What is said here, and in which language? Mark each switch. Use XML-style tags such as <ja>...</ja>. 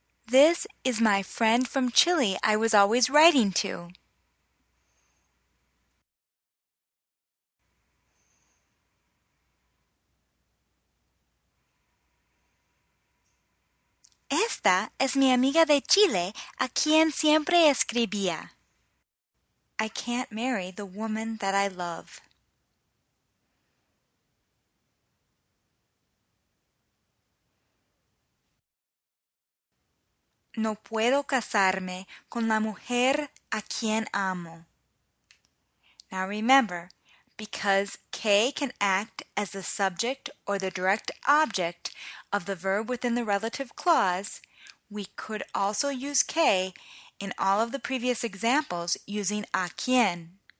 <en>This is my friend from Chile I was always writing to.</en> <es>Esta es mi amiga de Chile a quien siempre escribía.</es> <en>I can't marry the woman that I love.</en> <es>No puedo casarme con la mujer a quien amo.</es> <en>Now remember, because que can act as the subject or the direct object of the verb within the relative clause, we could also use que in all of the previous examples using</en> <es>a quien.</es>